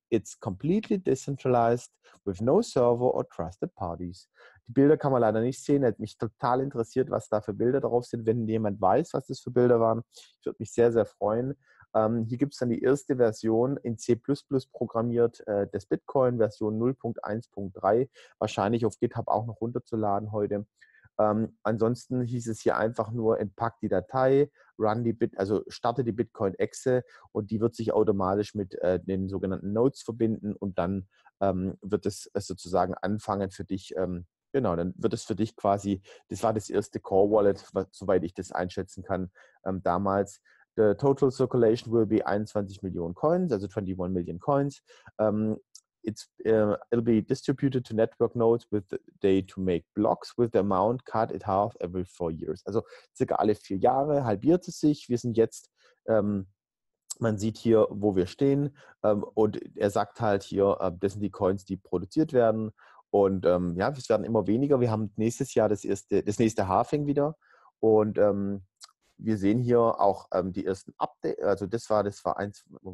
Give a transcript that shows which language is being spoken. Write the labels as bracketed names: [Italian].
[English] It's completely decentralized with no server or trusted parties. [German] Die Bilder kann man leider nicht sehen. Hätte mich total interessiert, was da für Bilder drauf sind. Wenn jemand weiß, was das für Bilder waren, ich würde mich sehr, sehr freuen. Hier gibt es dann die erste Version in C++ programmiert, des Bitcoin, Version 0.1.3, wahrscheinlich auf GitHub auch noch runterzuladen heute. Ansonsten hieß es hier einfach nur, entpack die Datei, run die also starte die Bitcoin-Exe und die wird sich automatisch mit den sogenannten Nodes verbinden und dann wird es sozusagen anfangen für dich, genau, dann wird es für dich quasi, das war das erste Core-Wallet, soweit ich das einschätzen kann, damals. [English] The total circulation will be 21 [German] Millionen [English] Coins, also 21 Million Coins. It'll be distributed to network nodes with they to make blocks with the amount cut in half every 4 years. [German] Also circa alle 4 Jahre halbiert es sich. Wir sind jetzt, man sieht hier, wo wir stehen. Und er sagt halt hier, das sind die Coins, die produziert werden. Und ja, es werden immer weniger. Wir haben nächstes Jahr das nächste Halving wieder. Und wir sehen hier auch die ersten Updates, also das war am 1.